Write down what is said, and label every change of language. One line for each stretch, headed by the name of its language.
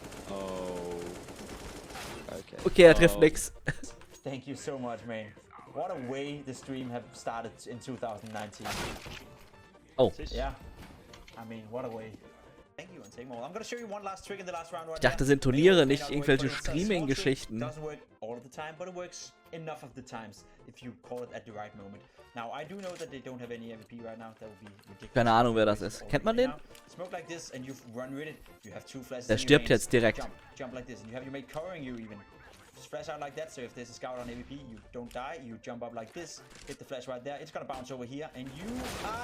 English: Oh. Okay,
German: er trifft nix.
English: Thank you so much, man. What a way the stream have started in 2019. Oh. Yeah. I mean, what a way. Thank you, Antimo. I'm gonna show you one last trick in the last round.
German: Ich dachte, das sind Turniere, nicht irgendwelche Streaming-Geschichten.
English: It doesn't work all the time, but it works enough of the times, if you call it at the right moment. Now, I do know that they don't have any MVP right now. That would be ridiculous.
German: Keine Ahnung, wer das ist. Kennt man den?
English: Smoke like this and you've run with it. You have two flashes.
German: Der stirbt jetzt direkt.
English: Jump like this and you have your mate covering you even. Flash out like that, so if there's a scout on AVP, you don't die, you jump up like this, hit the flash right there, it's gonna bounce over here, and you are...